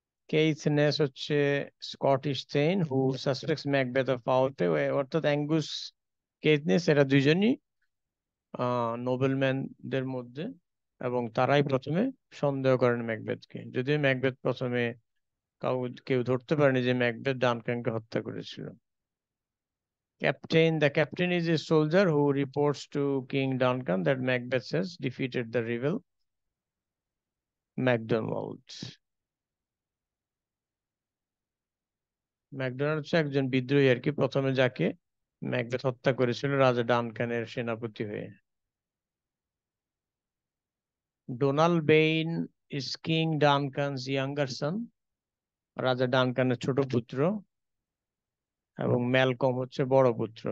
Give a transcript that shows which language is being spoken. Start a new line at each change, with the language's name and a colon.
Bangla: Keith নেস হচ্ছে Scottish thane,
English: who suspects Macbeth of foul play,
Bangla: অর্থাৎ অ্যাঙ্গুস Keith নেস এরা দুজনই নোবেল ম্যানদের মধ্যে, এবং তারাই প্রথমে সন্দেহ করেন ম্যাকবেথকে, যদিও ম্যাকবেথ প্রথমে কেউ ধরতে পারেনি যে ম্যাকবেথ ডানকেনকে হত্যা করেছিল।
English: Captain, the captain is a soldier who reports to King Duncan that Macbeth has defeated the rebel MacDonald.
Bangla: MacDonald হচ্ছে একজন বিদ্রোহী আর কি, প্রথমে যাকে ম্যাকবেথ হত্যা করেছিল রাজা ডানকানের সেনাপতি হয়ে। Donald Ben
English: is King Duncan's younger son,
Bangla: রাজা ডানকানের ছোট পুত্র, এবং ম্যালকম হচ্ছে বড় পুত্র।